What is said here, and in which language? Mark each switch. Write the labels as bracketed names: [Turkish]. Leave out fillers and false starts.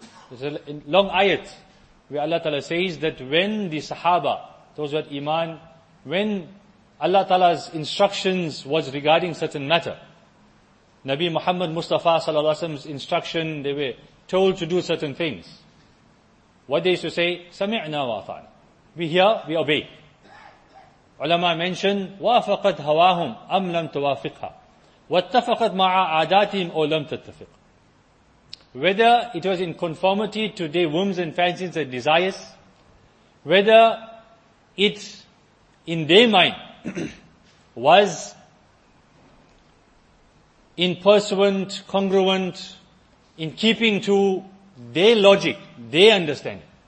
[English] This is a long ayat where Allah ta'ala says that when the sahaba, those who had iman, when Allah ta'ala's instructions was regarding certain matter, Nabi Muhammad Mustafa sallallahu alayhi wa sallam's instruction, they were told to do certain things. What they used to say, [Arabic] سَمِعْنَا وَأَطَعْنَا. [English] We hear, we obey. [Arabic] Ulama mention, وَافَقَتْ هَوَاهُمْ أَمْ لَمْ تُوَافِقْهَا وَاتَّفَقَتْ مَعَ عَادَاتِهِمْ أَوْ لَمْ تَتَّفِقْ. [English] Whether it was in conformity to their whims and fancies and desires, whether it in their mind was in pursuant, congruent, in keeping to their logic, their understanding.